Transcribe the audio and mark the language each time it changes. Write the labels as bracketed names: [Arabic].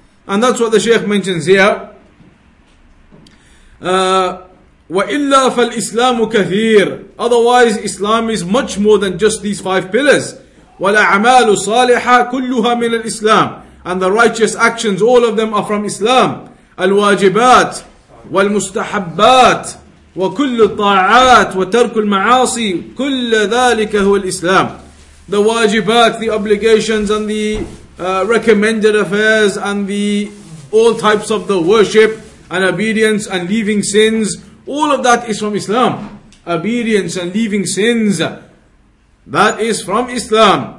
[English] And that's what the Shaykh mentions here. [Arabic] وَإِلَّا فَالْإِسْلَامُ كَثِيرٌ. [English] Otherwise, Islam is much more than just these five pillars. [Arabic] وَالْأَعْمَالُ صَالِحَةٌ كُلُّهَا مِنَ الْإِسْلَامِ. [English] And the righteous actions, all of them are from Islam. [Arabic] الواجبات والمستحبات وكل الطاعات وترك المعاصي كل ذلك هو الإسلام. [English] The wajibat, the obligations and the recommended affairs and the all types of the worship and obedience and leaving sins, all of that is from Islam. Obedience and leaving sins, that is from Islam.